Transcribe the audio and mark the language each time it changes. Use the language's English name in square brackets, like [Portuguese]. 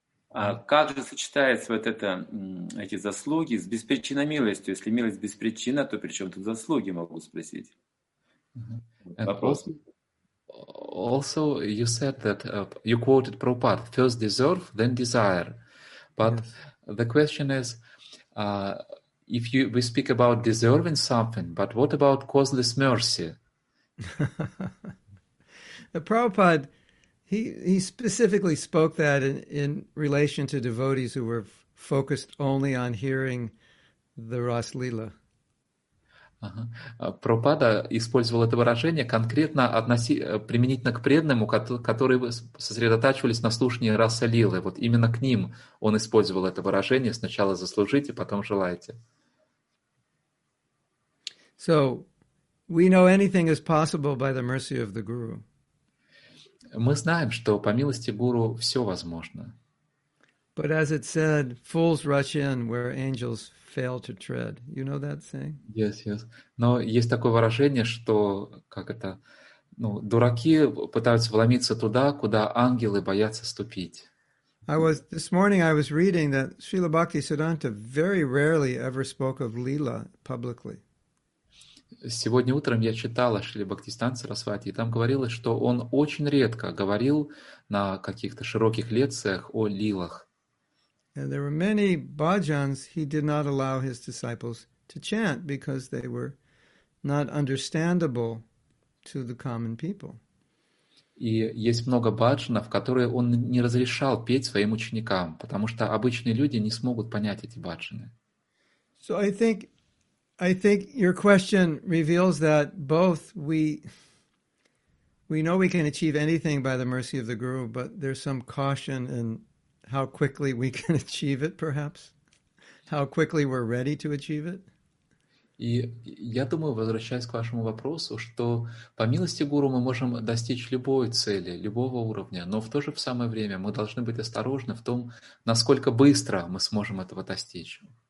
[Russian] А как же сочетается вот это, эти заслуги с беспричинной милостью? Если милость беспричинна, то при чем тут заслуги, могу спросить? Вопрос. [English] Also, you said that, you quoted Prabhupada, first deserve, then desire. But yes. The question is, if you, we speak about deserving something, but what about causeless mercy? Prabhupada, He specifically spoke that in relation to devotees who were focused only on hearing the Rasa-lila. [Russian] Prabhupada использовал это выражение конкретно применительно к преданным, которые сосредотачивались на слушании Раса-лилы. Вот именно к ним он использовал это выражение: сначала заслужите, потом желайте. [English] So we know anything is possible by the mercy of the Guru. [Russian] Мы знаем, что по милости Гуру все возможно. [English] But as it said, fools rush in where angels fail to tread. You know that saying? Yes, yes. [Russian] Но есть такое выражение, что как это, ну, дураки пытаются вломиться туда, куда ангелы боятся ступить. [English] This morning I was reading that Srila Bhaktisiddhanta very rarely ever spoke of Lila publicly. [Russian] Сегодня утром я читал о Шриле Бхактистан Сарасвати, и там говорилось, что он очень редко говорил на каких-то широких лекциях о лилах. [English] And there were many bhajans he did not allow his disciples to chant because they were not understandable to the common people. [Russian] И есть много бхаджанов, которые он не разрешал петь своим ученикам, потому что обычные люди не смогут понять эти бхаджаны. [English] So I think your question reveals that both we know we can achieve anything by the mercy of the Guru, but there's some caution in how quickly we can achieve it, perhaps, how quickly we're ready to achieve it. [Russian] И я думаю, возвращаясь к вашему вопросу, что по милости Гуру мы можем достичь любой цели, любого уровня, но в то же самое время мы должны быть осторожны в том, насколько быстро мы сможем этого достичь.